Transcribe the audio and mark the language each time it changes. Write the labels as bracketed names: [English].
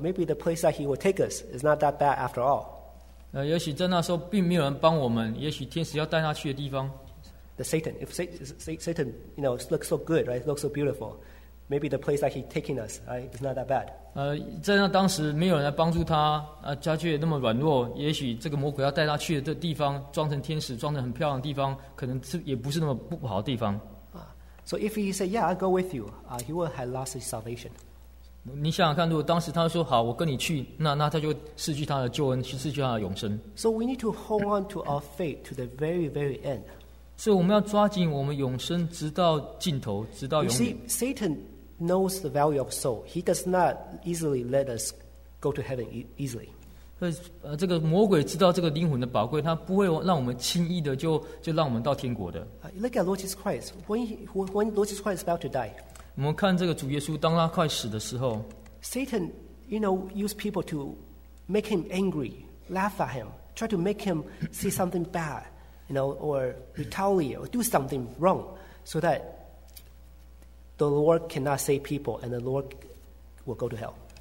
[English] Maybe the place that he will take us is not that bad after all. [Chinese] 也许在那时候并没有人帮我们，也许天使要带他去的地方。 [English] The Satan, if Satan, looks so good, right, looks so beautiful, maybe the place that he's taking us, right, is not that bad. [Chinese] 在那当时没有人来帮助他，家具也那么软弱，也许这个魔鬼要带他去的地方，装成天使，装成很漂亮的地方，可能也不是那么不好的地方。 [English] So if he said, yeah, I'll go with you, he will have lost his salvation. [Chinese] 你想想看，如果当时他说好，我跟你去，那他就失去他的救恩，失去他的永生。 [English] So we need to hold on to our faith to the very, very end. [Chinese] 所以我们要抓紧我们永生，直到尽头，直到永远。 [English] You see, Satan knows the value of soul. He does not easily let us go to heaven easily. [Chinese] 这个魔鬼知道这个灵魂的宝贵, 他不会让我们轻易的就让我们到天国的。 [English] Look at Lord Jesus Christ. When Lord Jesus Christ is about to die, [Chinese] 我们看这个主耶稣, 当他快死的时候, [English] Satan, you know, used people to make him angry, laugh at him, try to make him see something bad, you know, or retaliate, or do something wrong, so that the Lord cannot save people, and the Lord will go to hell.